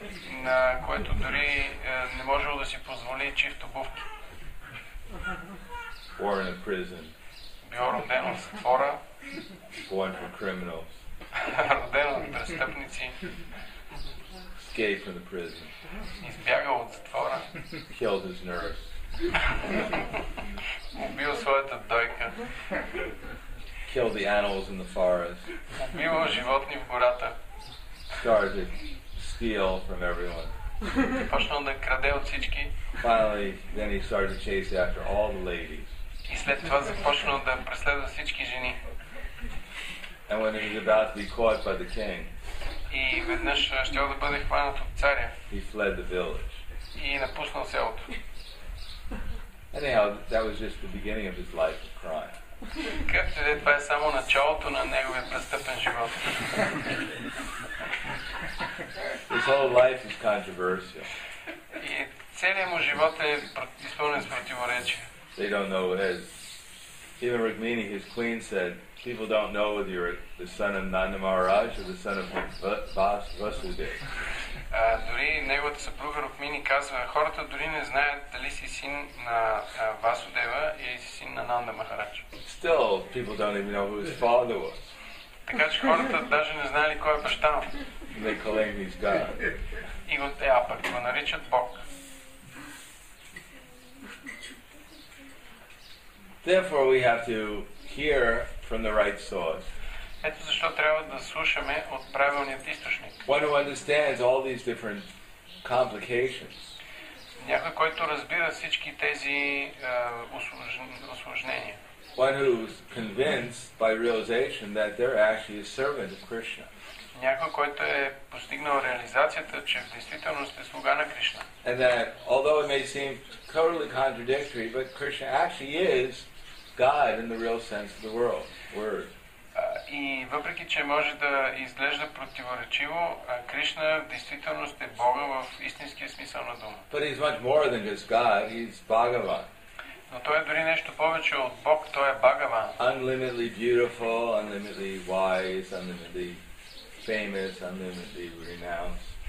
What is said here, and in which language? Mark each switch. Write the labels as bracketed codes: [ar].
[bg] На което дори не можел да си позволи чифт обувки. [en] Or in a prison. [bg] Бил роден в затвора. [en] Born from criminals. [bg] Роден от престъпници. [en] Escaped from the prison. [bg] Избягал от затвора. [en] Killed his nurse. [bg] Убил своята дойка. [en] Killed the animals in the forest. [bg] Убил животни в гората. [en] Started steal from everyone. [bg] Почнал да краде от всички. [en] Finally, then he started to chase after all the ladies. [bg] И след това започнал да преследва всички жени. [en] And when he was about to be caught by the king. [bg] И веднъж щял да бъде хванат от царя. [en] He fled the village. [bg] И напуснал селото. [en] Anyhow, that was just the beginning of his life of crime. [bg] Както де, това е само началото на неговия престъпен живот. [en] His whole life is controversial. [bg] И целият му живот е изпълнен с противоречия. [en] They don't know what is. Even Rukmini, his queen, said, people don't know whether you're the son of Nanda Maharaj or the son of Vasudeva. [bg] Дори неговата съпруга Рукмини казва, хората дори не знаят дали си син на Васудева или си син на Нанда Махарадж. [en] Still, people don't even know who his father was. [bg] Така че хората даже не знали кой е баща му. [en] They call him his God. [bg] И го те апак, го наричат Бог. [en] Therefore, we have to hear from the right source. [bg] Ето защо трябва да слушаме от правилният източник. [en] One who understands all these different complications. [bg] Някой, който разбира всички тези осложнения. [en] One who is convinced by realization that they're actually a servant of Krishna. [bg] Някой, който е постигнал реализацията, че в действителност е слуга на Кришна. [en] And that, although it may seem totally contradictory, but Krishna actually is God in the real sense of the world, word. [bg] И въпреки, че може да изглежда противоречиво, Кришна в действителност е Бога в истинския смисъл на дума. [en] But he's much more than just God, he's Bhagavan. [bg] Но той е дори нещо повече от Бог, той е Бхагаван. [en] Unlimitedly beautiful, unlimitedly wise, unlimitedly famous, unlimitedly renowned.